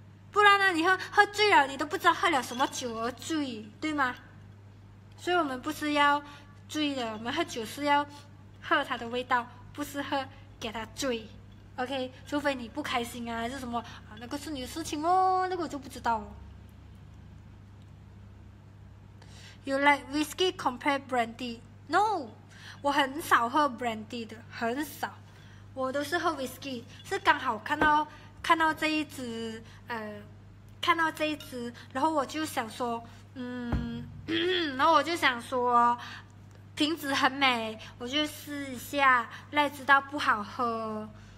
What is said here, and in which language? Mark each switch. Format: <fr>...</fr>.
<zh>不然呢，你喝醉了，你都不知道喝了什么酒而醉，对吗？所以我们不是要醉的，我们喝酒是要喝它的味道，不是喝给它醉。 OK，除非你不开心啊，还是什么啊，那个是你的事情哦，那个我就不知道哦。</zh> <en>You like whiskey compared brandy?</en> <zh>No，我很少喝 brandy 的，很少，我都是喝 whiskey，是刚好看到这一支，看到这一支，然后我就想说，然后我就想说，瓶子很美，我就试一下，赖知道不好喝。</zh>